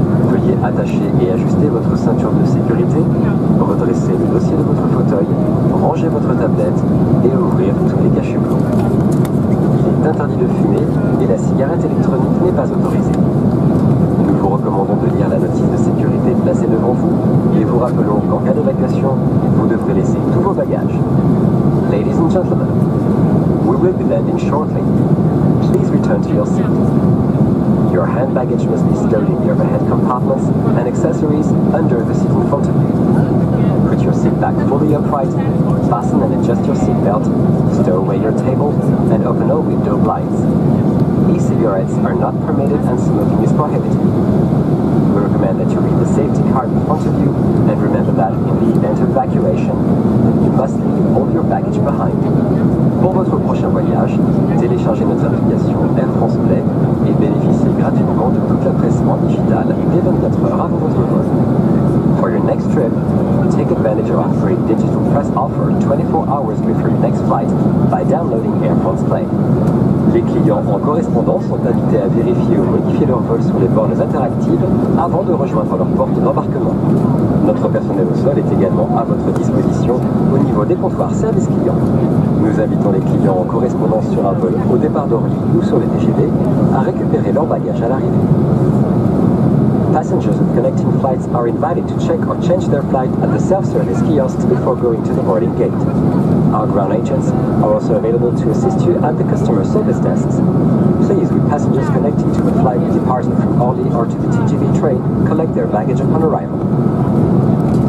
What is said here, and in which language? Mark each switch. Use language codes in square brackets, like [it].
[fr] Veuillez attacher et ajuster votre ceinture de sécurité, redresser le dossier de votre fauteuil, ranger votre tablette et ouvrir tous les cachets-plombs. Il est interdit de fumer et la cigarette électronique n'est pas autorisée. Nous vous recommandons de lire la notice de sécurité placée devant vous et vous rappelons qu'en cas d'évacuation, vous devrez laisser tous vos bagages. [en] Ladies and gentlemen, we will be landing shortly. Please return to your seat. Your hand baggage must be stowed in your overhead compartments and accessories under the seat in front of you. Put your seat back fully upright, fasten and adjust your seat belt, stow away your table, and open all window blinds. E-cigarettes are not permitted and smoking is prohibited. We recommend that you read the safety card in front of you and remember that in the event of evacuation, you must leave all your baggage behind. [fr] Pour votre prochain voyage, téléchargez notre application Air France Play et bénéficiez gratuitement de toute la presse en digital dès 24 heures avant votre vol. [en] For your next trip, take advantage of our free digital press offer 24 hours before your next flight by downloading Air France Play. [fr] Les clients en correspondance sont invités à vérifier ou modifier leur vol sur les bornes interactives avant de rejoindre leur porte d'embarquement. Notre personnel au sol est également à votre disposition au niveau des comptoirs service clients. Nous invitons les clients en correspondance sur un vol au départ d'Orly ou sur le TGV à récupérer leur bagage à l'arrivée. [en] Passengers with connecting flights are invited to check or change their flight at the self-service kiosks before going to the boarding gate. Our ground agents are also available to assist you at the customer service desks. Please, with passengers connecting to the flight departing from Orly or to the TGV train, collect their baggage upon arrival.